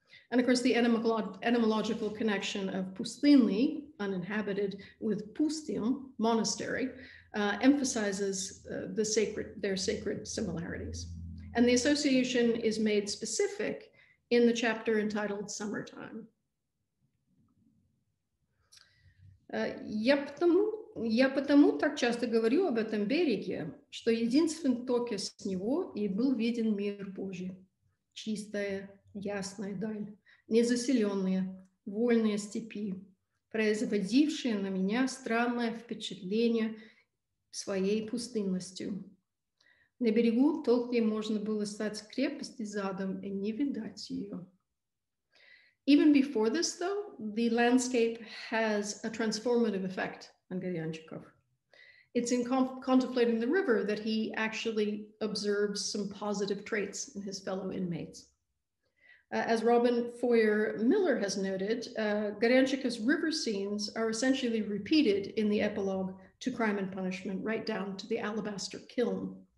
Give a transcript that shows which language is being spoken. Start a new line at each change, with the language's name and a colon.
English: And of course, the etymological connection of Pustinli, uninhabited, with Pustium, monastery, emphasizes their sacred similarities. And the association is made specific in the chapter entitled Summertime.
Russian: Я потому так часто говорю об этом береге, что единственный только с него и был виден мир Божий, чистая, ясная даль. Незаселенные, вольные степи, производившие на меня странное впечатление своей пустынностью. На берегу толкли можно было стать крепости задом и не видать ее.
English: Even before this, though, the landscape has a transformative effect on Garyanchikov. It's in contemplating the river that he actually observes some positive traits in his fellow inmates. As Robin Foyer Miller has noted, Garyanchikov's river scenes are essentially repeated in the epilogue to Crime and Punishment, right down to the alabaster kiln.